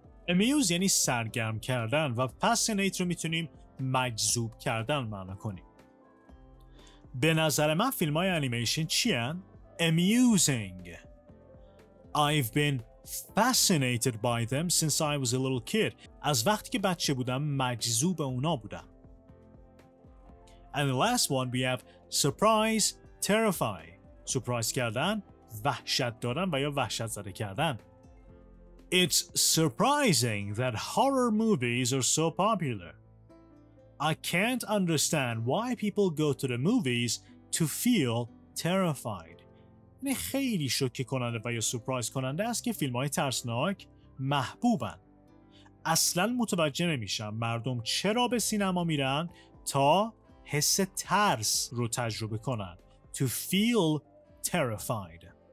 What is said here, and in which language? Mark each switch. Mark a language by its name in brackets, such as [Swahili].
[Persian] Amuse یعنی سرگرم کردن و fascinate رو میتونیم مجذوب کردن معنا کنیم. به نظر من فیلم‌های animation چیان [English] amusing. I've been fascinated by them since I was a little kid. [Persian] از وقتی که بچه بودم مجذوب اونا بودم. [English] And the last one we have surprise, terrify. [Persian] سورپرایز کردن، وحشت دادن و یا وحشت زده کردن. [English] It's surprising that horror movies are so popular. I can't understand why people go to the movies to feel terrified. [Persian] خیلی شوکه کننده و یا سورپرایز کننده است که فیلم‌های ترسناک محبوبن. اصلا متوجه نمیشن مردم چرا به سینما میرن تا حس ترس رو تجربه کنن. [English] To feel terrified.